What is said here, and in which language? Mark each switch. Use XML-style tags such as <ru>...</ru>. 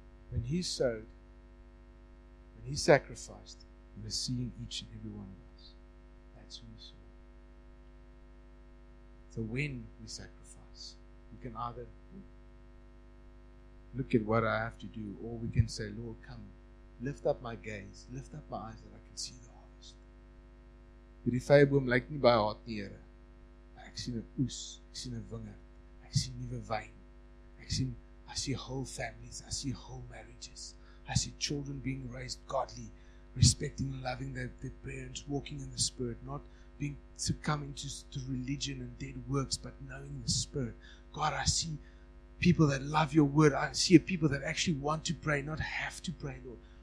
<en>When he sowed, when he sacrificed, he was seeing each and every one of us. That's who he saw. So when we sacrifice, we can either look at what I have to do, or we can say, Lord, come, lift up my gaze, lift up my eyes that I can see the harvest.</en> <af>Die vyeboom lyk nie baie hard nie, Here. Ek sien 'n oes, ek sien 'n wingerd, ek sien nuwe wyn.</af> <en>I see whole families, I see whole marriages, I see children being raised godly, respecting and loving their parents, walking in the Spirit, not being succumbing to religion and dead works, but knowing the Spirit. God, I see people that love your word. I see a people that actually want to pray, not have to pray, Lord.</en>